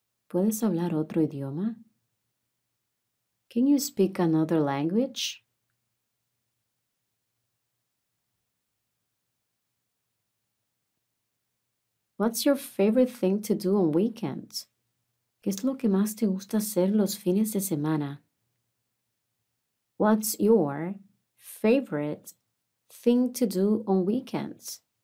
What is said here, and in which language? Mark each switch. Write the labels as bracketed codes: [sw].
[es] ¿Puedes hablar otro idioma? [en] Can you speak another language? What's your favorite thing to do on weekends? [es] ¿Qué es lo que más te gusta hacer los fines de semana? [en] What's your favorite thing to do on weekends?